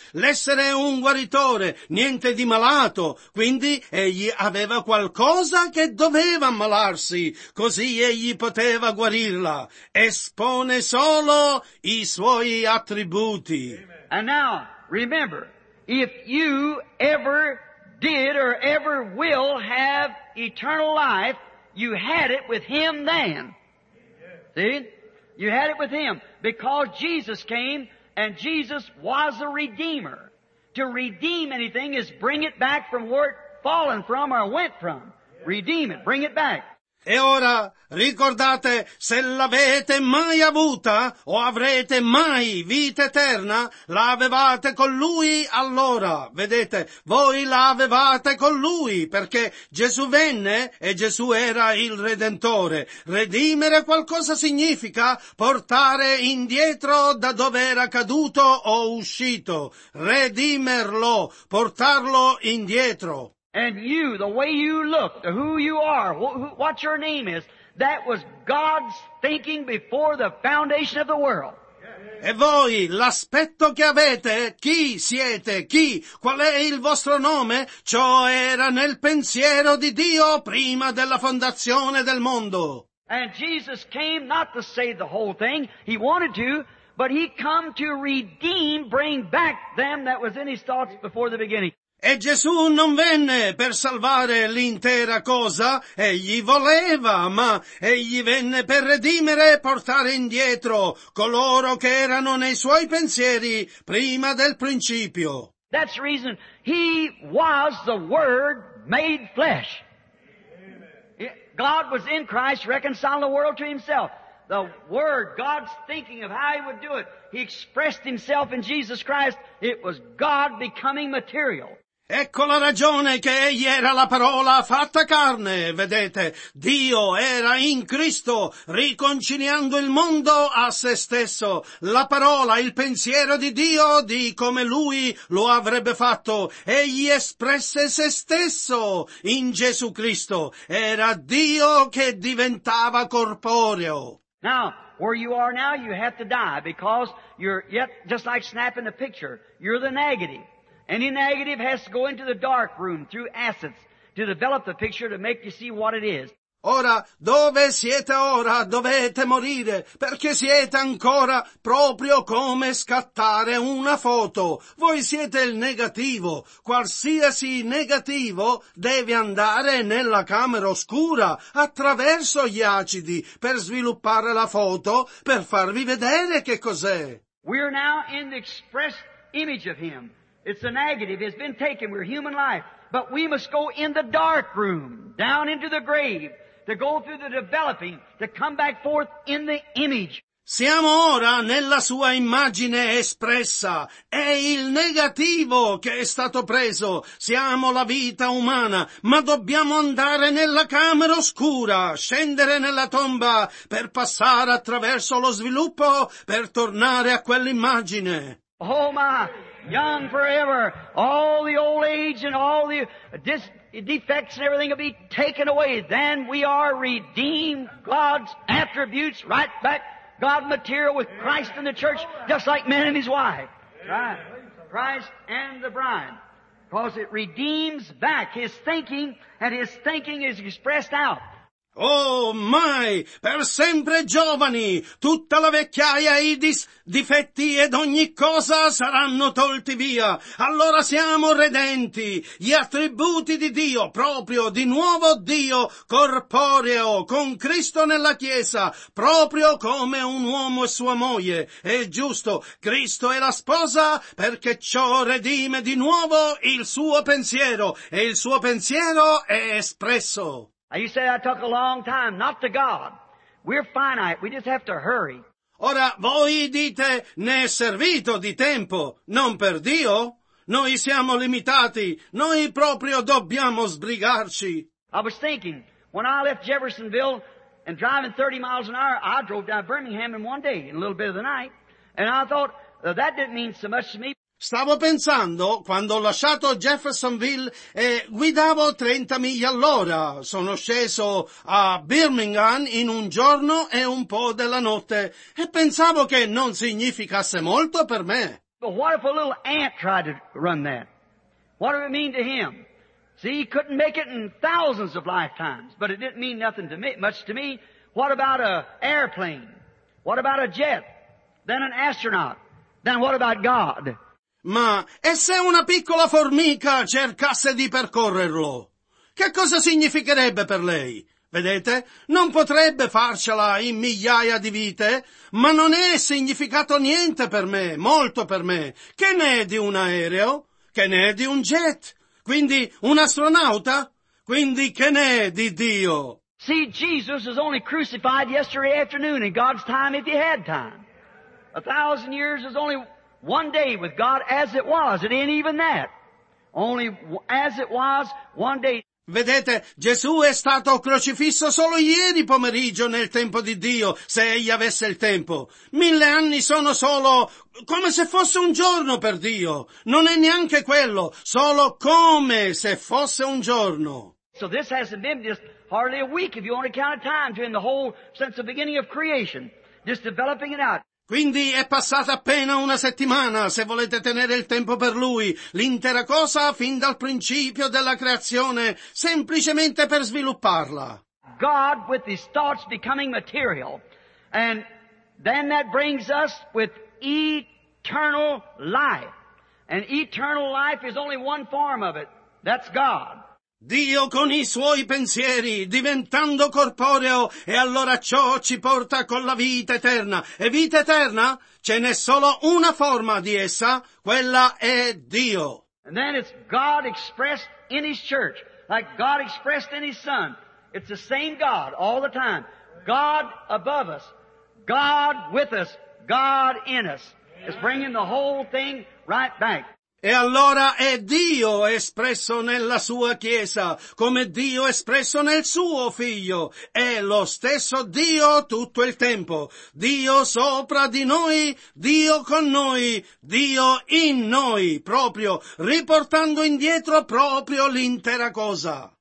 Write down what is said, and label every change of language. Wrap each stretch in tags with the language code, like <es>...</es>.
<it>L'essere un guaritore, niente di malato. Quindi egli aveva qualcosa che doveva ammalarsi, così egli poteva guarirla. Espone solo i suoi attributi.</it> <en>And now... remember, if you ever did or ever will have eternal life, you had it with him then. Yes. See? You had it with him because Jesus came and Jesus was a redeemer. To redeem anything is bring it back from where it fallen from or went from. Yes. Redeem it. Bring it back.</en> <it>E ora, ricordate, se l'avete mai avuta o avrete mai vita eterna, l'avevate con Lui allora. Vedete, voi l'avevate con Lui, perché Gesù venne e Gesù era il Redentore. Redimere qualcosa significa portare indietro da dove era caduto o uscito. Redimerlo, portarlo indietro.</it> <en>And you, the way you look, who you are, what your name is, that was God's thinking before the foundation of the world.</en> <it>E voi, l'aspetto che avete, chi siete, chi, qual è il vostro nome, ciò era nel pensiero di Dio prima della fondazione del mondo.</it> <en>And Jesus came not to save the whole thing, he wanted to, but he come to redeem, bring back them that was in his thoughts before the beginning.</en> <it>E Gesù non venne per salvare l'intera cosa, egli voleva, ma egli venne per redimere e portare indietro coloro che erano nei suoi pensieri prima del principio.</it> <en>That's the reason he was the Word made flesh. God was in Christ reconciling the world to himself. The Word, God's thinking of how he would do it. He expressed himself in Jesus Christ. It was God becoming material.</en> <it>Ecco la ragione che egli era la parola fatta carne, vedete, Dio era in Cristo, riconciliando il mondo a se stesso, la parola, il pensiero di Dio di come Lui lo avrebbe fatto, egli espresse se stesso in Gesù Cristo, era Dio che diventava corporeo.</it> <en>Now, where you are now, you have to die, because you're yet, just like snapping the picture, you're the negative. Any negative has to go into the dark room through acids to develop the picture to make you see what it is.</en> <it>Ora, dove siete ora, dovete morire, perché siete ancora proprio come scattare una foto. Voi siete il negativo. Qualsiasi negativo deve andare nella camera oscura attraverso gli acidi per sviluppare la foto, per farvi vedere che cos'è.</it> <en>We are now in the express image of him. It's a negative. It's been taken. We're human life. But we must go in the dark room, down into the grave, to go through the developing, to come back forth in the image.</en> <it>Siamo ora nella sua immagine espressa. È il negativo che è stato preso. Siamo la vita umana, ma dobbiamo andare nella camera oscura, scendere nella tomba, per passare attraverso lo sviluppo, per tornare a quell'immagine.</it> <en>Oh my! Young forever, all the old age and all the defects and everything will be taken away. Then we are redeemed, God's attributes right back, God material with Christ and the church, just like man and his wife. Right. Christ and the bride. Because it redeems back his thinking, and his thinking is expressed out.</en> <it>Oh, mai, per sempre giovani, tutta la vecchiaia, i difetti ed ogni cosa saranno tolti via. Allora siamo redenti, gli attributi di Dio, proprio di nuovo Dio, corporeo, con Cristo nella Chiesa, proprio come un uomo e sua moglie. È giusto, Cristo è la sposa, perché ciò redime di nuovo il suo pensiero, e il suo pensiero è espresso.</it> <en>You say that took a long time, not to God. We're finite, we just have to hurry.</en> <it>Ora, voi dite, ne è servito di tempo, non per Dio. Noi siamo limitati, noi proprio dobbiamo sbrigarci.</it> <en>I was thinking, when I left Jeffersonville and driving 30 miles an hour, I drove down Birmingham in one day, in a little bit of the night. And I thought, that didn't mean so much to me.</en> <it>Stavo pensando, quando ho lasciato Jeffersonville, guidavo 30 miglia all'ora. Sono sceso a Birmingham in un giorno e un po' della notte. E pensavo che non significasse molto per me.</it> <en>But what if a little ant tried to run that? What did it mean to him? See, he couldn't make it in thousands of lifetimes, but it didn't mean nothing to me, much to me. What about an airplane? What about a jet? Then an astronaut? Then what about God?</en> <it>Ma, e se una piccola formica cercasse di percorrerlo? Che cosa significherebbe per lei? Vedete? Non potrebbe farcela in migliaia di vite, ma non è significato niente per me, molto per me. Che ne è di un aereo? Che ne è di un jet? Quindi, un astronauta? Quindi, che ne è di Dio?</it> <en>See, Jesus was only crucified yesterday afternoon in God's time if he had time. 1,000 years is only one day with God as it was. It ain't even that. Only as it was, one day.</en> <it>Vedete, Gesù è stato crocifisso solo ieri pomeriggio nel tempo di Dio, se egli avesse il tempo. 1,000 anni sono solo come se fosse un giorno per Dio. Non è neanche quello, solo come se fosse un giorno.</it> <en>So this hasn't been just hardly a week if you only count the time during the whole since the beginning of creation, just developing it out.</en> <it>Quindi è passata appena una settimana, se volete tenere il tempo per lui, l'intera cosa fin dal principio della creazione, semplicemente per svilupparla.</it> <en>God with his thoughts becoming material, and then that brings us with eternal life. And eternal life is only one form of it. That's God.</en> <it>Dio con i suoi pensieri, diventando corporeo, e allora ciò ci porta con la vita eterna. E vita eterna? Ce n'è solo una forma di essa, quella è Dio.</it> <en>And then it's God expressed in his church, like God expressed in his son. It's the same God all the time. God above us, God with us, God in us. It's bringing the whole thing right back.</en> <it>E allora è Dio espresso nella sua Chiesa, come Dio espresso nel suo Figlio. È lo stesso Dio tutto il tempo. Dio sopra di noi, Dio con noi, Dio in noi, proprio, riportando indietro proprio l'intera cosa.</it>